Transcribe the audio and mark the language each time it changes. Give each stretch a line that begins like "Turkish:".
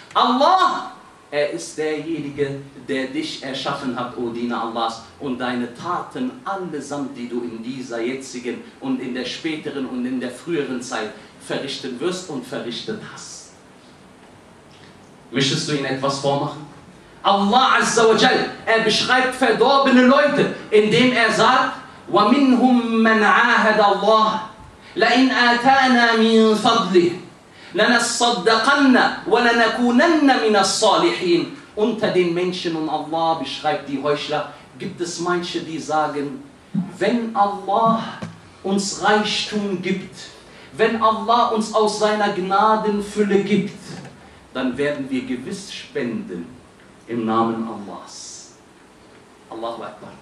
German: Allah, er ist derjenige, der dich erschaffen hat, o Diener Allahs, und deine Taten allesamt, die du in dieser jetzigen und in der späteren und in der früheren Zeit verrichten wirst und verrichtet hast. Möchtest du ihnen etwas vormachen? Allah Azza wa Jal, er beschreibt verdorbene Leute, indem er sagt,
Arabic: وَمِنْهُمْ مَنْ عَاهَدَ اللَّهِ لَإِنْ آتَانَا مِنْ فَضْلِهِ لَنَصَّدَّقَنَّ وَلَنَكُونَنَّ مِنَ الصَّالِحِينَ.
German: Unter den Menschen, und Allah beschreibt die Heuchler, gibt es manche, die sagen, wenn Allah uns Reichtum gibt, wenn Allah uns aus seiner Gnadenfülle gibt, dann werden wir gewiss spenden im Namen Allahs. Allahu Akbar.